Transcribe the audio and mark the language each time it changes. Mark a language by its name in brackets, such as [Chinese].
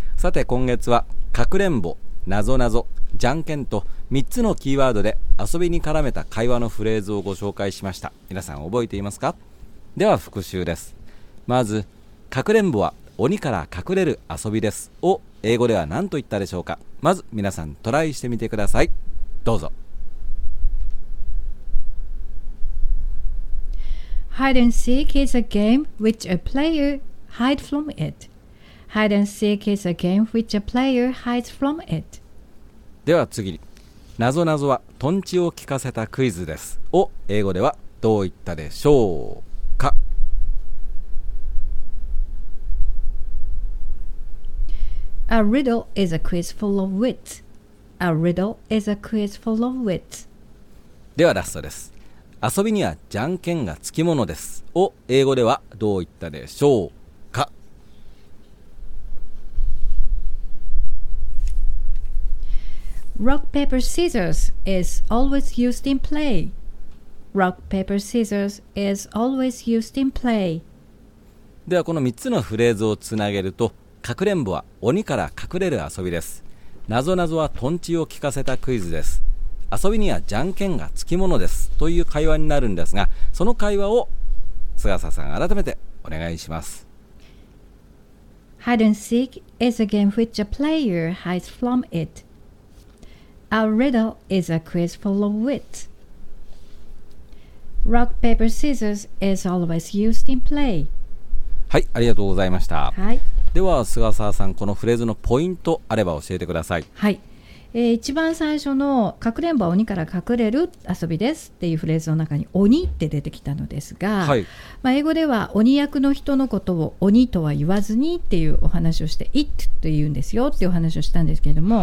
[Japanese] さて今月はかくれんぼ、なぞなぞ、じゃんけんと3つのキーワードで遊びに絡めた会話のフレーズをご紹介しました。皆さん覚えていますか？では復習です。まずかくれんぼは鬼から隠れる遊びですを英語では何と言ったでしょうか？まず皆さんトライしてみてください。どうぞ。 [English] Hide and seek is a game which a player hides from it. Hide and seek is a game which a player hides from it. [Japanese] では次に、なぞなぞはトンチを聞かせたクイズですを英語ではどう言ったでしょうか？ [English] A riddle is a quiz full of wit. A riddle is a quiz full of wit. [Japanese] ではラストです。遊びにはじゃんけんがつきものです。を英語ではどう言ったでしょうか？ [English] Rock, paper, scissors is always used in play. Rock, paper, scissors is always used in play. [Japanese] ではこの3つのフレーズをつなげると、かくれんぼは鬼から隠れる遊びです、なぞなぞはトンチを聞かせたクイズです、遊びにはじゃんけんがつきものですという会話になるんですが、その会話を菅沢さん改めてお願いします。 [English] Hide and seek is a game which a player hides from it. A riddle is a quiz full of wit. Rock, paper, scissors is always used in play. [Japanese] はい、ありがとうございました。はい、では菅沢さん、このフレーズのポイントあれば教えてください。はい、一番最初のかくれんぼは鬼から隠れる遊びですっていうフレーズの中に鬼って出てきたのですが、はい、まあ、英語では鬼役の人のことを鬼とは言わずにっていうお話をして、 it と言うんですよっていうお話をしたんですけれども、